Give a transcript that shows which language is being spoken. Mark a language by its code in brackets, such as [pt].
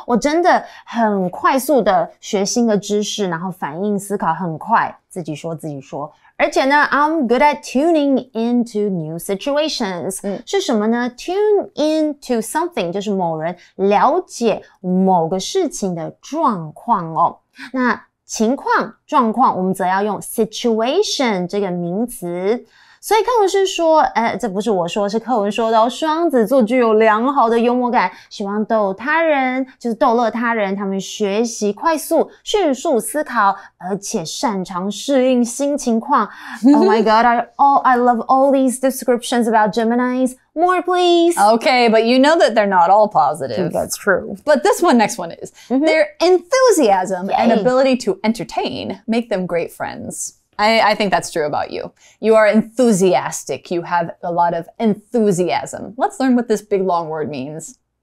[zh] 我真的很快速的学新的知识然后反应思考很快自己说自己说。 [en] 而且呢 I'm good at tuning into new situations. [zh] 是什么呢 ? Tune into something, 就是某人了解某个事情的状况哦。那情况、状况，我们则要用 situation 这个名词。所以课文是说，这不是我说，是课文说到双子座具有良好的幽默感，喜欢逗他人，就是逗乐他人。他们学习快速、迅速思考，而且擅长适应新情况。 [en] Oh my god, I love all these descriptions about Geminis. More, please. Okay, but you know that they're not all positive. That's true. But this one, next one is. Mm-hmm. Their enthusiasm Yay. And ability to entertain make them great friends. I think that's true about you. You are enthusiastic. You have a lot of enthusiasm. Let's learn what this big long word means.